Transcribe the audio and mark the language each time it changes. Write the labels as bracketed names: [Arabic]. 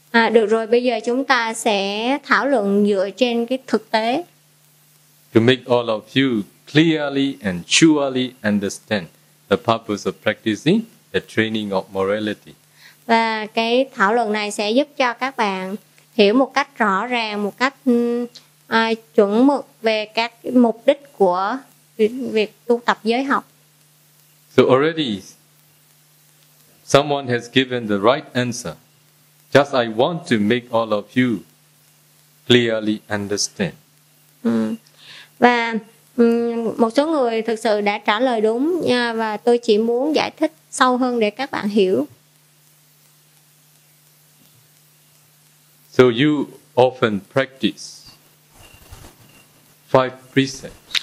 [Vietnamese] Được rồi, bây giờ chúng ta sẽ thảo luận dựa trên cái thực tế. [English] To make all of you clearly and surely understand the purpose of practicing the training of morality. [Vietnamese] Và cái thảo luận này sẽ giúp cho các bạn hiểu một cách rõ ràng, một cách chuẩn mực về các mục đích của việc tu tập giới học. [English] So already someone has given the right answer. Just I want to make all of you clearly understand. [Vietnamese] Và một số người thực sự đã trả lời đúng nha, và tôi chỉ muốn giải thích sâu hơn để các bạn hiểu. [English] So you often practice five precepts.